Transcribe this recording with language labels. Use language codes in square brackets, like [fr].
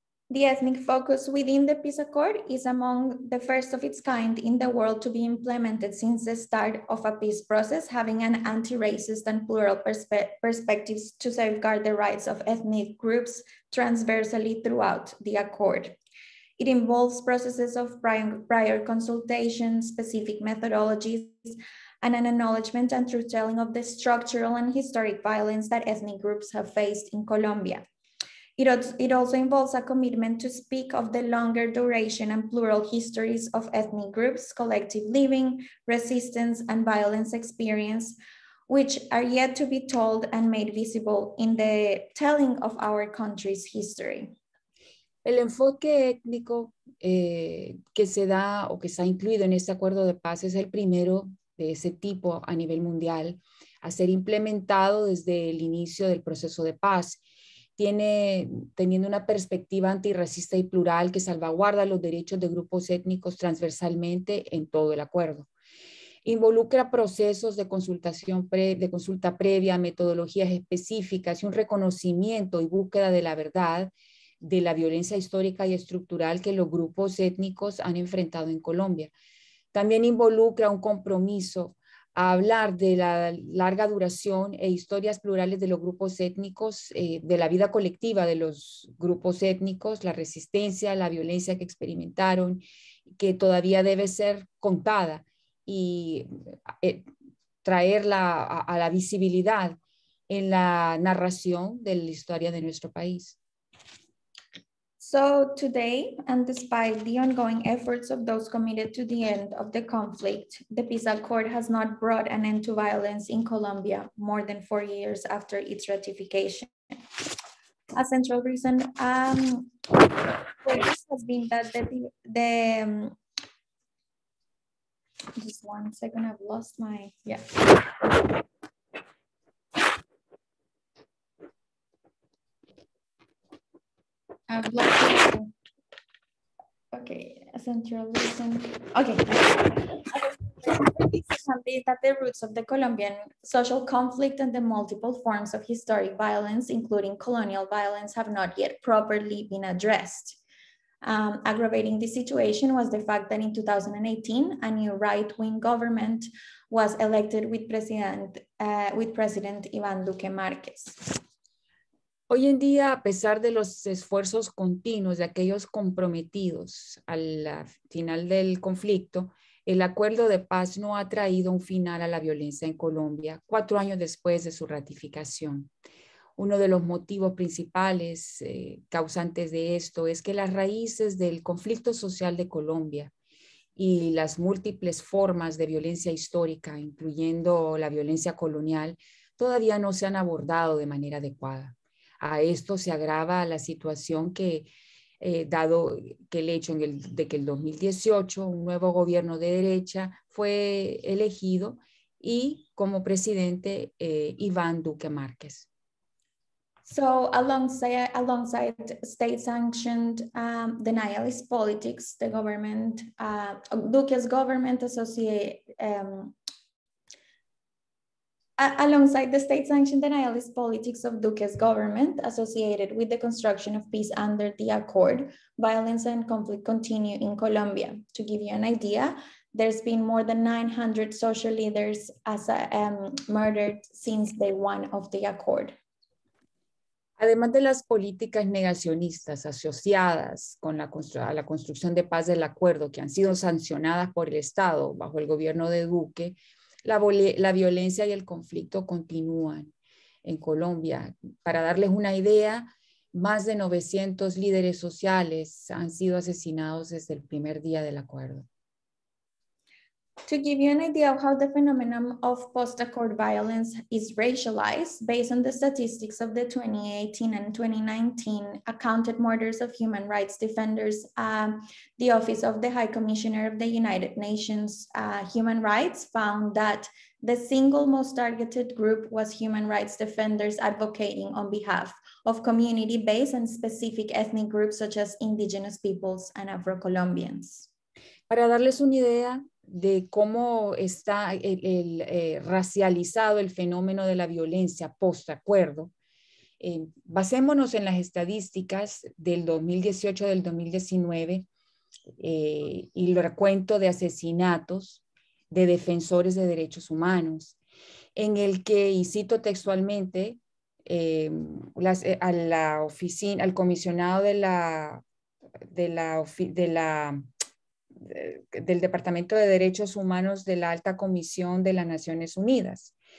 [en] The ethnic focus within the peace accord is among the first of its kind in the world to be implemented since the start of a peace process, having an anti-racist and plural perspectives to safeguard the rights of ethnic groups transversally throughout the accord. It involves processes of prior consultation, specific methodologies, and an acknowledgement and truth-telling of the structural and historic violence that ethnic groups have faced in Colombia. It also involves a commitment to speak of the longer duration and plural histories of ethnic groups, collective living, resistance, and violence experience, which are yet to be told and made visible in the telling of our country's history. [es] El enfoque étnico que se da o que está incluido en este acuerdo de paz es el primero de ese tipo a nivel mundial a ser implementado desde el inicio del proceso de paz. Teniendo una perspectiva antirracista y plural que salvaguarda los derechos de grupos étnicos transversalmente en todo el acuerdo. Involucra procesos de consulta previa, metodologías específicas y un reconocimiento y búsqueda de la verdad de la violencia histórica y estructural que los grupos étnicos han enfrentado en Colombia. También involucra un compromiso a hablar de la larga duración e historias plurales de los grupos étnicos, de la vida colectiva de los grupos étnicos, la resistencia, la violencia que experimentaron, que todavía debe ser contada y traerla a la visibilidad en la narración de la historia de nuestro país. [en] So today, and despite the ongoing efforts of those committed to the end of the conflict, the peace accord has not brought an end to violence in Colombia more than 4 years after its ratification. A central reason for this has been that the roots of the Colombian social conflict and the multiple forms of historic violence, including colonial violence, have not yet properly been addressed. Aggravating the situation was the fact that in 2018, a new right-wing government was elected with President Iván Duque Márquez. [es] Hoy en día, a pesar de los esfuerzos continuos de aquellos comprometidos al final del conflicto, el acuerdo de paz no ha traído un final a la violencia en Colombia 4 años después de su ratificación. Uno de los motivos principales causantes de esto es que las raíces del conflicto social de Colombia y las múltiples formas de violencia histórica, incluyendo la violencia colonial, todavía no se han abordado de manera adecuada. A esto se agrava la situación que, dado que el hecho de que en 2018 un nuevo gobierno de derecha fue elegido y como presidente Iván Duque Márquez. [en] So alongside state-sanctioned denialist politics, the government, Duque's government alongside the state-sanctioned denialist politics of Duque's government associated with the construction of peace under the accord, violence and conflict continue in Colombia. To give you an idea, there's been more than 900 social leaders murdered since day one of the accord. [es] Además de las políticas negacionistas asociadas con la construcción de paz del acuerdo que han sido sancionadas por el Estado bajo el gobierno de Duque, la violencia y el conflicto continúan en Colombia. Para darles una idea, más de 900 líderes sociales han sido asesinados desde el primer día del acuerdo. [en] To give you an idea of how the phenomenon of post-accord violence is racialized, based on the statistics of the 2018 and 2019 accounted murders of human rights defenders, the Office of the High Commissioner of the United Nations Human Rights found that the single most targeted group was human rights defenders advocating on behalf of community-based and specific ethnic groups such as indigenous peoples and Afro-Colombians. [es] Para darles una idea de cómo está racializado el fenómeno de la violencia post-acuerdo, basémonos en las estadísticas del 2018 del 2019 y el recuento de asesinatos de defensores de derechos humanos, en el que, y cito textualmente, al comisionado del Departamento de Derechos Humanos de la Alta Comisión de las Naciones Unidas.